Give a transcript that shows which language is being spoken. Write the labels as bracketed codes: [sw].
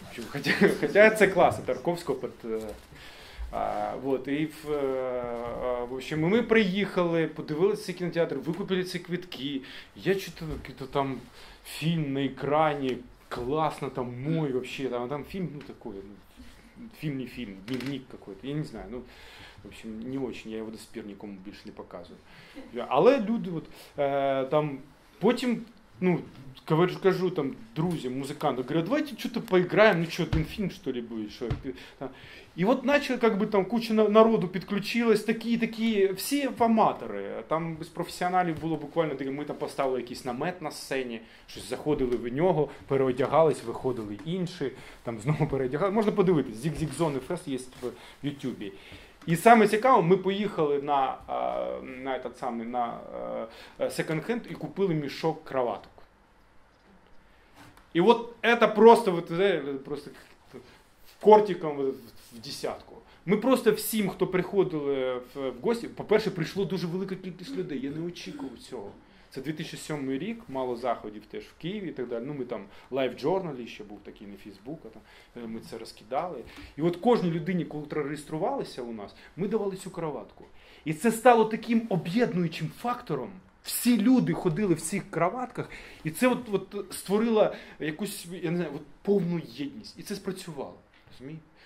[uk] Хоча це класно, Тарковського під вот, і [ru] в общем, [uk] ми приїхали, подивилися кінотеатр, викупили ці квитки. Я читав якийсь там фільм на екрані, класно там [ru] мой вообще, [uk] там фільм, [ru] ну такой, [uk] ну фільм не фільм, [ru] дневник какой-то. [uk] Я не знаю, ну, [ru] в общем, не очень, [uk] я його до спір нікому більше не показую. Але люди от там потім, ну, кажу там друзям, музикантам, [ru] говорю, давайте что-то поиграем, ну что, один фильм, что ли, будет, что ли. И вот начали, как бы там куча народу подключилась, такие, все аматоры. Там без профессионалов было буквально, мы там поставили какой-то намет на сцене, что-то заходили в него, переодягались, выходили другие, там снова переодягались. Можно посмотреть, Зиг-зиг-зони фест есть в YouTube. [uk] І саме цікаве, ми поїхали на [ru] этот [uk] самий на секонд-хенд і купили мішок кроваток. І от це просто, [ru] вот, [uk] просто кортиком в десятку. Ми просто всім, хто приходили в гості, по-перше, прийшло дуже велика кількість людей. Я не очікував цього. Це 2007 рік, мало заходів теж в Києві і так далі. Ну, ми там Live Journal ще був такий на Facebook, там ми це розкидали. І от кожній людині, коли реєструвалися у нас, ми давали цю кроватку. І це стало таким об'єднуючим фактором. Всі люди ходили в цих кроватках, і це от створило якусь, я не знаю, от повну єдність. І це спрацювало. Розумієте?